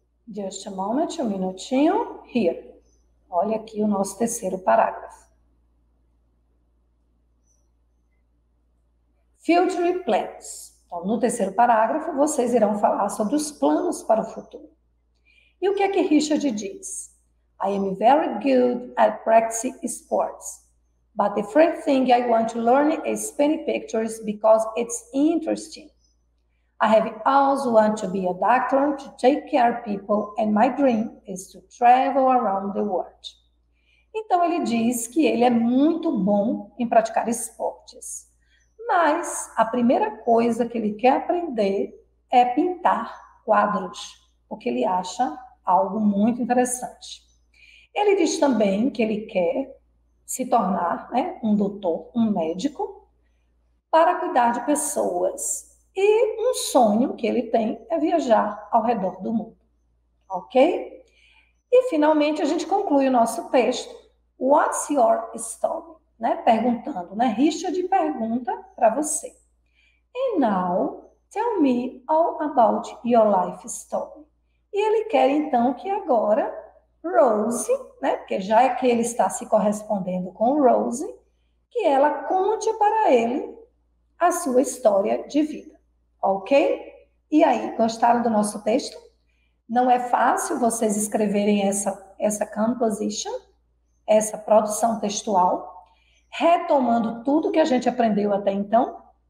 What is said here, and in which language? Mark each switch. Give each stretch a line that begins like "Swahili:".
English: Just a moment,
Portuguese: um minutinho. Here. Olha aqui o nosso terceiro parágrafo.
English: Future plans.
Portuguese: Então, no terceiro parágrafo, vocês irão falar sobre os planos para o futuro. E o que é que Richard diz?
English: I am very good at practicing sports, but the first thing I want to learn is painting pictures because it's interesting. I have also wanted to be a doctor to take care of people, and my dream is to travel around the world.
Portuguese: Então ele diz que ele é muito bom em praticar esportes, mas a primeira coisa que ele quer aprender é pintar quadros, porque ele acha algo muito interessante. Ele diz também que ele quer se tornar, né, um doutor, um médico, para cuidar de pessoas. E um sonho que ele tem é viajar ao redor do mundo. Ok? E finalmente a gente conclui o nosso texto.
English: What's your story?
Portuguese: Né? Perguntando, né? Richard pergunta para você.
English: And now, tell me all about your life story.
Portuguese: E ele quer então que agora Rose, né? Porque já é que ele está se correspondendo com Rose, que ela conte para ele a sua história de vida. Ok? E aí, gostaram do nosso texto? Não é fácil vocês escreverem essa composition, essa produção textual, retomando tudo que a gente aprendeu até então.